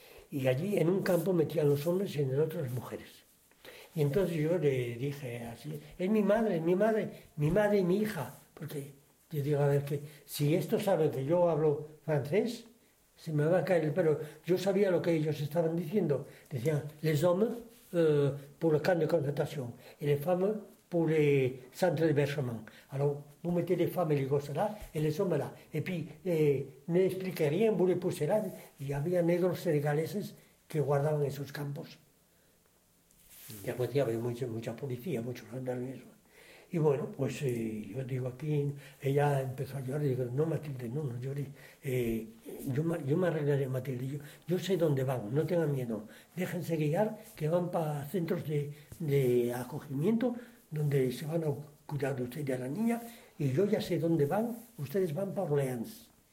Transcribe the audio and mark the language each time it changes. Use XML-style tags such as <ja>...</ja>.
<es>Y allí en un campo metían los hombres y en el otro las mujeres. Y entonces yo le dije así, es mi madre, y mi hija, porque... Yo digo, a ver, que si esto sabe que yo hablo francés, se me va a caer el pelo. Yo sabía lo que ellos estaban diciendo. Decían,</es> <fr>les hommes, pour le camp de concentration et les femmes pour les centres d'hébergement. Alors, vous mettez les femmes et les gosses là, et les hommes là. Et puis, n'expliquez rien, vous les poussez là. Il y avait des nègres sénégalaises qui guardaient</fr> <es>esos campos. Y a pues había mucha policía, muchos gendarmes. Y bueno, pues yo digo aquí, ella empezó a llorar, digo, no Matilde, no llores. Yo me arreglaré, Matilde, yo sé dónde van, no tengan miedo. Déjense guiar, que van para centros de acogimiento, donde se van a cuidar de ustedes y a la niña, y yo ya sé dónde van, ustedes van para Orleans.</es>